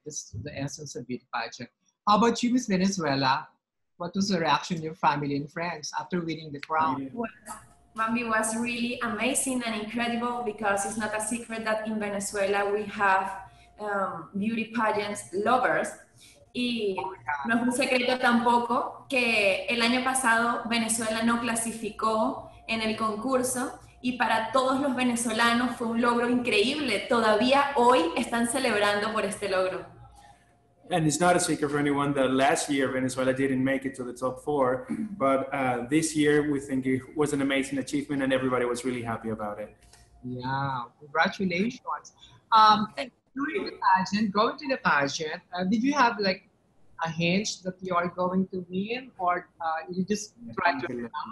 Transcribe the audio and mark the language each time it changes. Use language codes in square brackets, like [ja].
[en] This is the essence of beauty pageant. How about you, Miss Venezuela? What was the reaction of your family and friends after winning the crown? Bambbi was really amazing and incredible, because it's not a secret that in Venezuela we have beauty pageants lovers. [es] Y no es un secreto tampoco que el año pasado Venezuela no clasificó en el concurso, y para todos los venezolanos fue un logro increíble. Todavía hoy están celebrando por este logro. [en] And it's not a secret for anyone that last year Venezuela didn't make it to the top four, but this year we think it was an amazing achievement, and everybody was really happy about it. Yeah, congratulations. During the pageant, going to the pageant, did you have like a hint that you are going to win, or you just tried to